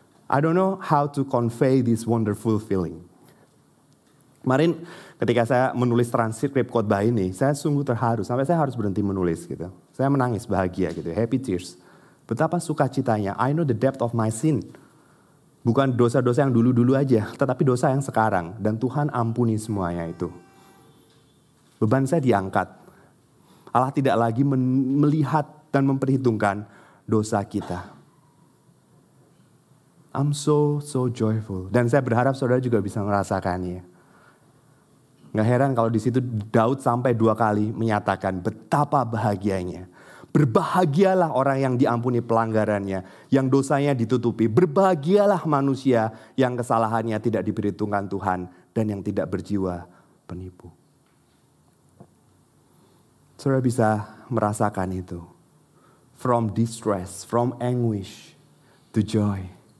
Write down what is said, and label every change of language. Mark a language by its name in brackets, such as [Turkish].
[English] I don't know how to convey this wonderful feeling. [Indonesian] Kemarin ketika saya menulis transkrip khotbah ini, saya sungguh terharu sampai saya harus berhenti menulis gitu. Saya menangis bahagia gitu, [English] happy tears. [Indonesian] Betapa sukacitanya, [English] I know the depth of my sin. [Indonesian] Bukan dosa-dosa yang dulu-dulu aja, tetapi dosa yang sekarang. Dan Tuhan ampuni semuanya itu. Beban saya diangkat. Allah tidak lagi melihat dan memperhitungkan dosa kita. [English] I'm so, so joyful. [Indonesian] Dan saya berharap saudara juga bisa merasakannya. Gak heran kalau di situ Daud sampai dua kali menyatakan betapa bahagianya. Berbahagialah orang yang diampuni pelanggarannya, yang dosanya ditutupi. Berbahagialah manusia yang kesalahannya tidak diperhitungkan Tuhan dan yang tidak berjiwa penipu. Saudara bisa merasakan itu. [English] From distress, from anguish to joy.